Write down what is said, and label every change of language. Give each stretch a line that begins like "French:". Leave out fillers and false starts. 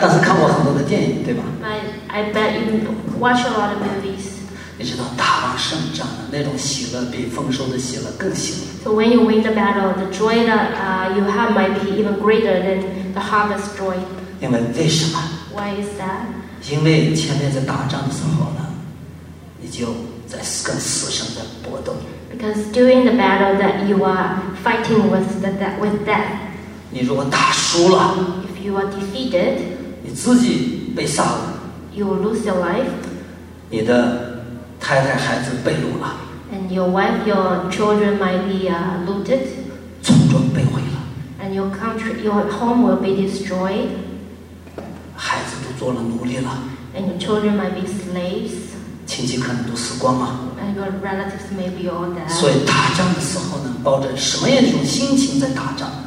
Chinese: 但是看过很多的电影，对吧？
English: But I bet you. Watch a lot of movies.
Chinese: 你知道打完胜仗的那种喜乐，比丰收的喜乐更喜乐。
English: So when you win the battle, the joy that you have might be even greater than the harvest joy.
Chinese: 因为为什么
English: ？Why is that？
Chinese: 因为前面在打仗的时候呢，你就在跟死神在搏斗。
English: Because during the battle that you are fighting with death.
Chinese: 你如果打输了
English: ，If you are defeated，
Chinese: 你自己被杀了。
English: You will lose your life.
Chinese: 你的太太孩子被掳了。
English: And your wife, your children might be looted.
Chinese: 村庄被毁了。
English: And your country, your home will be destroyed.
Chinese: 孩子都做了奴隶了。
English: And your children might be slaves.
Chinese: 亲戚可能都死光了。
English: And your relatives may be all dead.
Chinese: 所以打仗的时候呢，抱着什么样一种心情在打仗